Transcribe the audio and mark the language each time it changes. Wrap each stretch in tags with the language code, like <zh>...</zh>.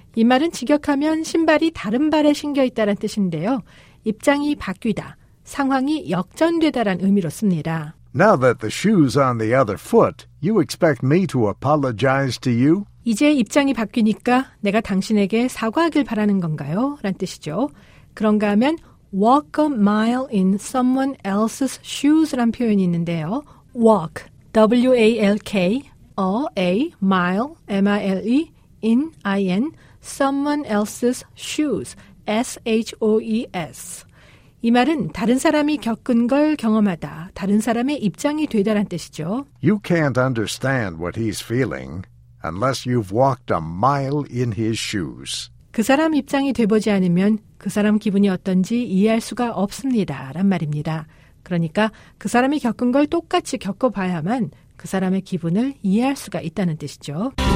<ko>이 말은 직역하면 신발이 다른 발에 신겨있다는 뜻인데요. 입장이 바뀌다, 상황이 역전되다란 의미로 씁니다.</ko> <en>Now that the shoe's on the other foot, you expect me to apologize to you?</en> <ko>이제 입장이 바뀌니까 내가 당신에게 사과하길 바라는 건가요? 라는 뜻이죠. 그런가 하면</ko> <en>walk a mile in someone else's shoes</en> <ko>라는 표현이 있는데요.</ko> <en>walk, W-A-L-K, a, a, mile, M-I-L-E, in, I-N, someone else's shoes, S-H-O-E-S.</en> <ko>이 말은 다른 사람이 겪은 걸 경험하다, 다른 사람의 입장이 되다란 뜻이죠.</ko> <en>You can't understand what he's feeling unless you've walked a mile in his shoes.</en> <ko>그 사람 입장이 돼보지 않으면 그 사람 기분이 어떤지 이해할 수가 없습니다. 란 말입니다. 그러니까 그 사람이 겪은 걸 똑같이 겪어봐야만 그 사람의 기분을 이해할 수가 있다는 뜻이죠.</ko>